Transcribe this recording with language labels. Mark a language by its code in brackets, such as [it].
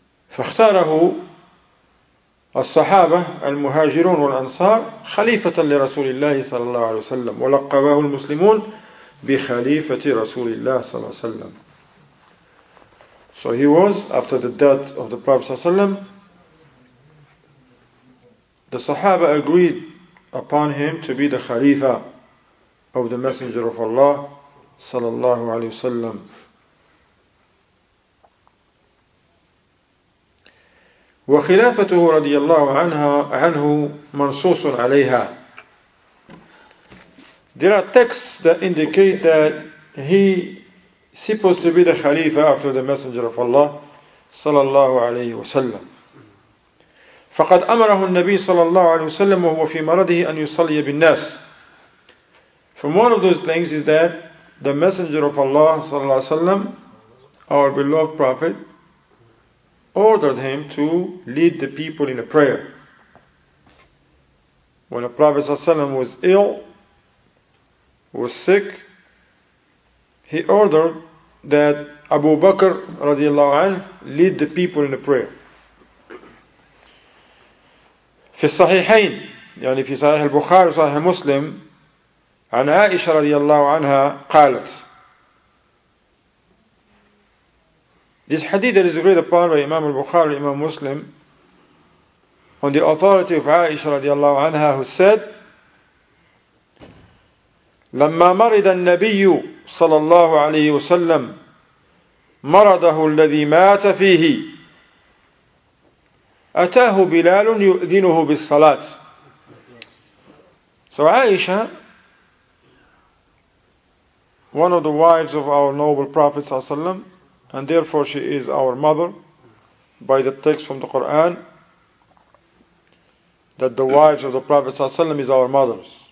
[ar] فاختاره الصحابة المهاجرون والأنصار خليفة لرسول الله صلى الله عليه وسلم ولقبه المسلمون بخليفة رسول الله صلى الله عليه وسلم. [en] So he was, after the death of the Prophet صلى الله عليه وسلم, the Sahaba agreed upon him to be the Khalifa of the Messenger of Allah sallallahu alaihi wasallam. [ar] وخلافته رضي الله عنه منصوص عليها. [en] There are texts that indicate that he supposed to be the Khalifa after the Messenger of Allah sallallahu alaihi wasallam. [ar] فقد أمره النبي صلى الله عليه وسلم وهو في مرضه أن يصلي بالناس. [en] From one of those things is that the Messenger of Allah صلى الله عليه وسلم, our beloved Prophet, ordered him to lead the people in a prayer. When the Prophet صلى الله عليه وسلم was ill, was sick, he ordered that Abu Bakr رضي الله عنه lead the people in a prayer. [ar] في الصحيحين يعني في صحيح البخاري وصحيح مسلم عن عائشة رضي الله عنها قالت. [en] This hadith is agreed upon by Imam al-Bukhari and Imam Muslim on the authority of عائشة رضي الله عنها, who said [ar] لما مرض النبي صلى الله عليه وسلم مرضه الذي مات فيه أتاه بلال يؤذنه بالصلاة. [en] So Aisha, one of the wives of our noble Prophet ﷺ, and therefore she is our mother, by the text from the Quran, that the wives of the Prophet ﷺ is our mothers.